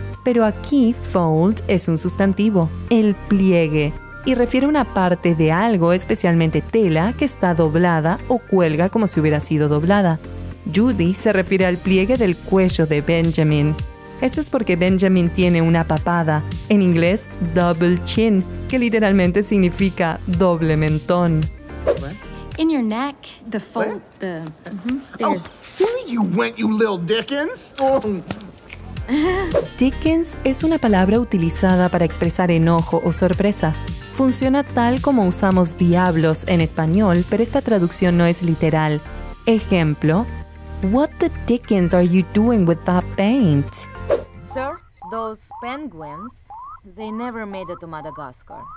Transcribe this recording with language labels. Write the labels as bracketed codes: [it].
[es] Pero aquí, fold es un sustantivo, el pliegue, y refiere a una parte de algo, especialmente tela, que está doblada o cuelga como si hubiera sido doblada. Judy se refiere al pliegue del cuello de Benjamin. Esto es porque Benjamin tiene una papada, en inglés double chin, que literalmente significa doble mentón. [en] In your neck, the fold, the... Mm-hmm, oh, where you went, you little Dickens? [es] Dickens es una palabra utilizada para expresar enojo o sorpresa. Funciona tal como usamos diablos en español, pero esta traducción no es literal. [en] Ejemplo, what the Dickens are you doing with that paint? Sir, those penguins, they never made it to Madagascar.